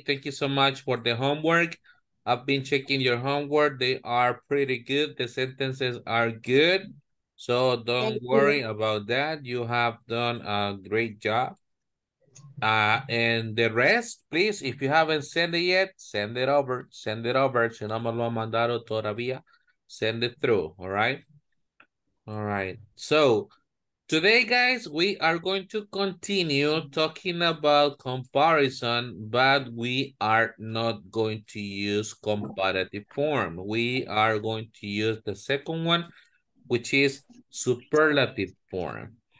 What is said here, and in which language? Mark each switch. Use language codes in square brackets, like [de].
[en] Thank you so much for the homework. I've been checking your homework. They are pretty good. The sentences are good. So don't worry about that. You have done a great job. And the rest, please, if you haven't sent it yet, send it over. Send it over. [es] Si no me lo han mandado todavía, [en] send it through. All right? All right. So today, guys, we are going to continue talking about comparison, but we are not going to use comparative form. We are going to use the second one, which is superlative form.